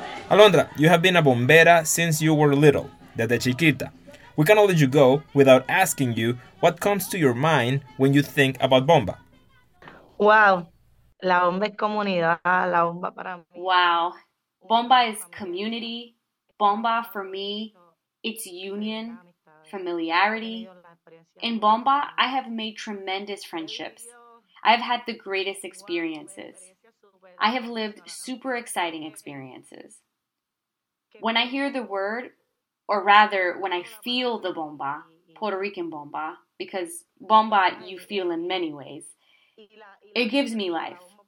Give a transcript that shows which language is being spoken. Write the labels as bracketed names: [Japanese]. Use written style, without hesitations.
[English] Alondra, you have been a bombera since you were little, [Spanish] desde chiquita. [English] We cannot let you go without asking you what comes to your mind when you think about bomba. [Spanish] Wow, la bomba es comunidad, la bomba para mí. [English] Wow, bomba is community, bomba for me, it's union, familiarity. In bomba, I have made tremendous friendships. I have had the greatest experiences. I have lived super exciting experiences. When I hear the word, or rather, when I feel the bomba, Puerto Rican bomba, because bomba you feel in many ways, it gives me life.